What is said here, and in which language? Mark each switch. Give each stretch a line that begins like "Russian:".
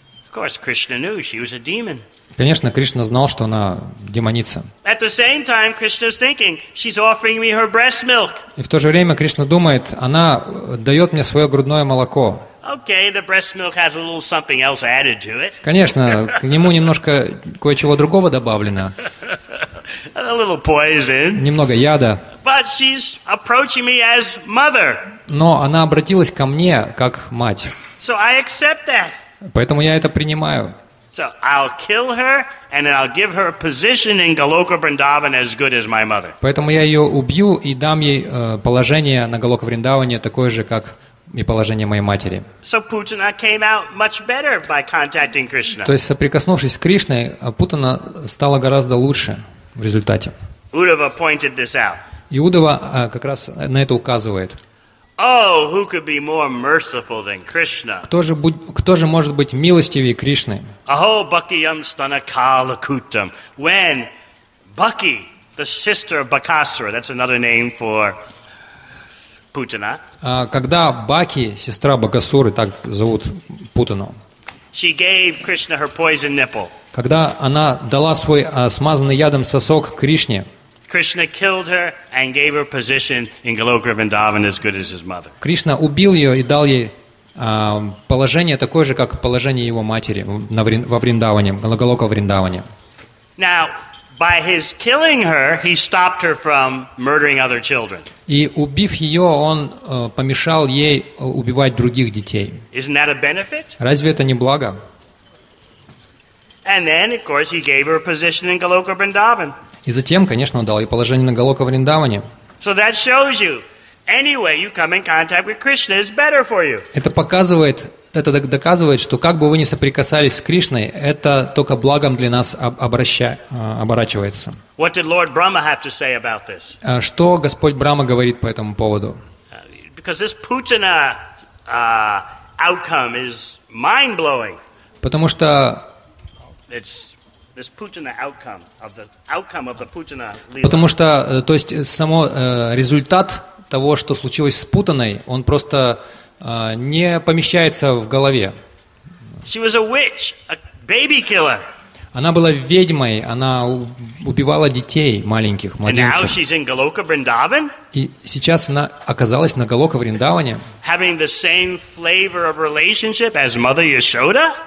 English: Of course, Krishna knew she was a demon.
Russian: Конечно, Кришна знал, что она демоница.
English: At the same time, Krishna's thinking, she's offering me her breast milk.
Russian: И в то же время Кришна думает, она дает мне свое грудное молоко.
English: Okay, the breast milk has a little something else added to it.
Russian: Конечно, к нему немножко кое-чего другого добавлено.
English: A little poison.
Russian: Немного яда.
English: But she's approaching me as mother.
Russian: Но она обратилась ко мне как мать.
English: So I accept that.
Russian: Поэтому я это принимаю.
English: So I'll kill her and I'll give her a position in Goloka Vrindavan as good as my mother.
Russian: Поэтому я ее убью и дам ей положение на Голока Вриндаване такое же, как и положение моей матери.
English: So Putana came out much better by contacting Krishna.
Russian: То есть соприкоснувшись с Кришной, Путана стала гораздо лучше в результате.
English: Удава pointed this out.
Russian: И Удава как раз на это указывает.
English: Oh, who could be more merciful than Krishna?
Russian: Кто же может быть милостивее Кришны?
Sanskrit: Aho Bhakiyam Stana Kalakutam.
English: When Bhakti, the sister of Bakasura, that's another name for Putana.
Russian: Когда Бхакти, сестра Бакасуры, так зовут Путану.
English: She gave Krishna her poison nipple.
Russian: Когда она дала свой смазанный ядом сосок Кришне.
English: Krishna killed her and gave her position in Goloka Vrindavan as good as his mother.
Russian: Кришна убил ее и дал ей положение такое же, как положение его матери во Вриндаване, на Голока Вриндаване.
English: Now, by his killing her, he stopped her from murdering other children.
Russian: И убив ее, он помешал ей убивать других детей.
English: Isn't that a benefit?
Russian: Разве это не благо?
English: And then, of course, he gave her a position in Goloka Vrindavan.
Russian: И затем, конечно, он дал ей положение на Голока Вриндаване.
English: So that shows you, any way you come in contact with Krishna is better for you.
Russian: Это показывает, это доказывает, что как бы вы ни соприкасались с Кришной, это только благом для нас оборачивается.
English: What did Lord Brahma have to say about this?
Russian: Что Господь Брахма говорит по этому поводу?
English: Because this Putana outcome is mind-blowing.
Russian: Потому что
English: This Putana outcome of the Putana Lila.
Russian: Потому что, то есть, само результат того, что случилось с Путаной, он просто не помещается в голове.
English: She was a witch, a baby killer.
Russian: Она была ведьмой, она убивала детей маленьких, младенцев.
English: And now she's in Goloka Vrindavan?
Russian: И сейчас она оказалась на Голока Вриндаване.
English: Having the same flavor of relationship as Mother Yashoda?